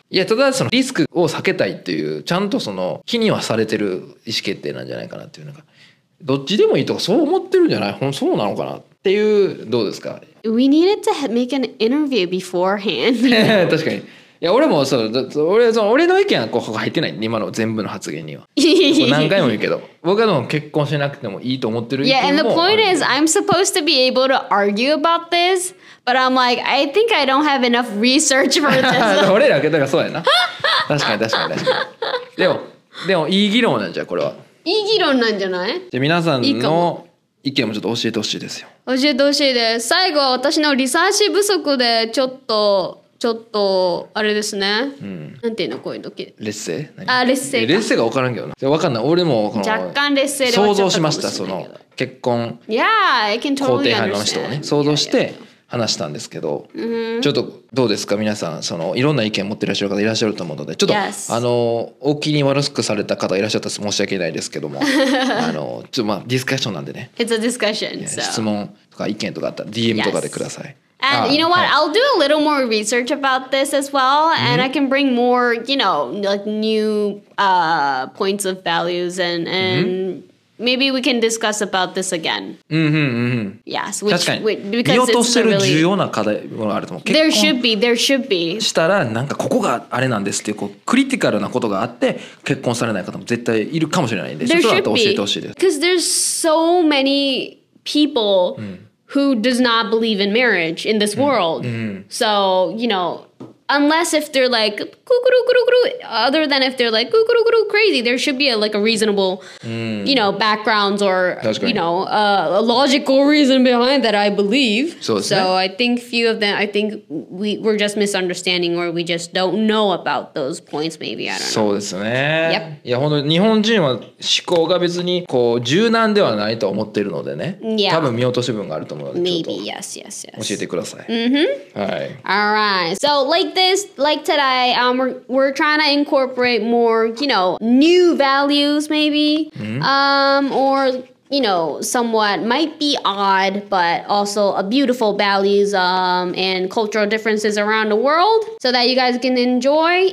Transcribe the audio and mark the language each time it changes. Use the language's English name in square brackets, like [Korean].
[Japanese] いやただそのリスクを避けたいっていうちゃんとその気にはされてる意思決定なんじゃないかなっていう、なんかどっちでもいいとかそう思ってるんじゃない、そうなのかなっていう、どうですか。 [English] We needed to make an interview beforehand. [Japanese] 確かに。いや俺もそう、俺の意見はこう入ってない、今の全部の発言には。何回も言うけど僕はでも結婚しなくてもいいと思ってる意見も。 [English] Yeah, and the point is I'm supposed to be able to argue about this, but I'm like I think I don't have enough research for this. [Japanese] 俺だけだからそうやな。確かに確かに確かに。でもいい議論なんじゃこれは。いい議論なんじゃない？じゃあ皆さんの意見もちょっと教えてほしいですよ。教えてほしいです。最後は私のリサーチ不足でちょっとあれですね、うん、なんていうのこういう時、劣勢？あ、劣勢か。劣勢が分からんけどな、分かんない。俺もこの若干劣勢で想像しました、その結婚 [English] Yeah, I can totally understand. [Japanese] 肯定派の人をね想像して話したんですけど、 [English] yeah, yeah. [Japanese] ちょっとどうですか皆さん、そのいろんな意見持っていらっしゃる方いらっしゃると思うので、ちょっと、 [English] yes. [Japanese] あのお気に悪しくされた方いらっしゃったら申し訳ないですけどもあのちょっとまあディスカッションなんでね、 [English] It's a discussion, so. [Japanese] 質問とか意見とかあったら DM とかでください、 [English] yes. And you know what、はい、I'll do a little more research about this as well and I can bring more, you know, like new、points of values and maybe we can discuss about this again. Yes, which, [Japanese] 確かに。 [English] Because it's [Japanese] 見落としてる重要な課題があると思う。 [English] There should be. [Japanese] したらなんかここがあれなんですっていう、こうクリティカルなことがあって結婚されない方も絶対いるかもしれないんで、 [English] there、 [Japanese] そうだと教えてほしいです。 [English] Because there's so many people who does not believe in marriage in this world. So, you know... Unless if they're like kukurukurukuru, other than if they're like kukurukuru crazy, there should be a, like a reasonable, you know, backgrounds or, you know, a logical reason behind that, I believe. So I think few of them, I think we're just misunderstanding or we just don't know about those points, maybe. I don't know. [Japanese] そうですね。 [English] Yep. [Japanese] いや、本当に日本人は思考が別にこう柔軟ではないと思っているのでね。 [English] Yeah. [Japanese] 多分見落とし分があると思うので、 [English] maybe. ちょっと yes. [Japanese] 教えてください。 Mm-hmm. はい。 [English] All right. So like today, we're trying to incorporate more, you know, new values maybe, or you know, somewhat might be odd, but also a beautiful values and cultural differences around the world so that you guys can enjoy.